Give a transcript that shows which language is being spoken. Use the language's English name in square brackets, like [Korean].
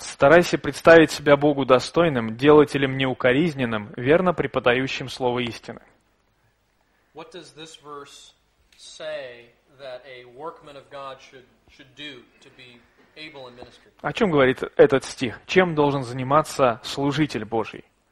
[Russian] Старайся представить себя Богу достойным, делателем неукоризненным, верно преподающим Слово истины. [English] What does this verse say that a workman of God should do to be able and minister? [Russian] О чем говорит этот стих? Чем должен заниматься служитель Божий?